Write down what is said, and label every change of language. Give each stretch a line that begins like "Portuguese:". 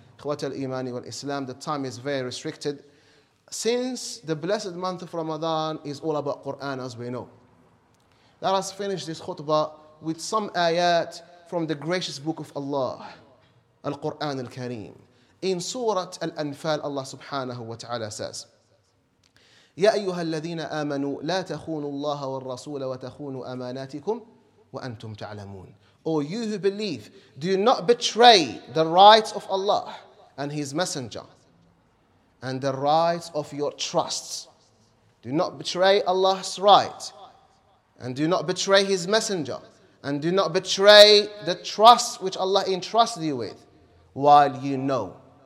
Arabic: Ikhwat al-Imani wal-Islam,
English: the time is very restricted. Since the blessed month of Ramadan is all about Quran, as we know, let us finish this khutbah with some ayat from the gracious book of Allah, Al-Quran al-Kareem. In Surah Al-Anfal, Allah subhanahu wa ta'ala says,
Arabic: يا أيها الذين آمنوا لا تخونوا الله والرسول وتخونوا أماناتكم وأنتم تعلمون.
English: O you who believe, do not betray the rights of Allah and His Messenger and the rights of your trusts. Do not betray Allah's right and do not betray His Messenger and do not betray the trust which Allah entrusted you with while you know.